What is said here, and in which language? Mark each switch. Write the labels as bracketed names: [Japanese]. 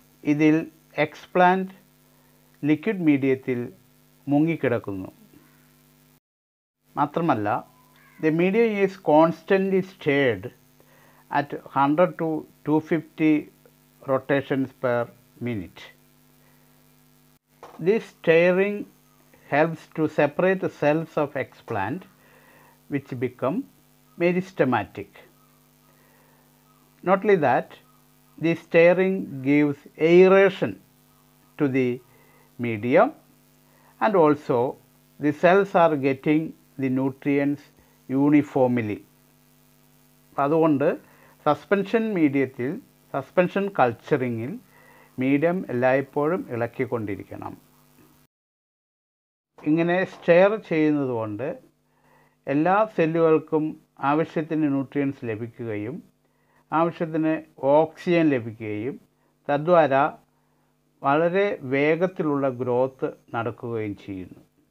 [Malayalam] ഇതിൽ explant liquid മീഡിയത്തിൽ മുങ്ങിക്കിടക്കുന്നു. മാത്രമല്ല [English] The medium is constantly stirred at 100 to 250 rotations per minute. This stirring helps to separate the cells of explant which become meristematic. Not only that, this stirring gives aeration to the medium, and also the cells are getting the nutrients uniformly. [Malayalam] അതുകൊണ്ട് suspension മീഡിയത്തിൽ suspension കൾച്ചറിങ്ങിൽ medium എല്ലായ്പ്പോഴും ഇളക്കിക്കൊണ്ടിരിക്കണം. ഇങ്ങനെ stair ചെയ്യുന്നതുകൊണ്ട് എല്ലാ സെല്ലുകൾക്കും ആവശ്യത്തിന് nutrients ലഭിക്കുകയും ആവശ്യത്തിന് oxygen ലഭിക്കുകയും തദ്വാര വളരെ വേഗത്തിലുള്ള ഗ്രോത്ത് നടക്കുകയും ചെയ്യുന്നു.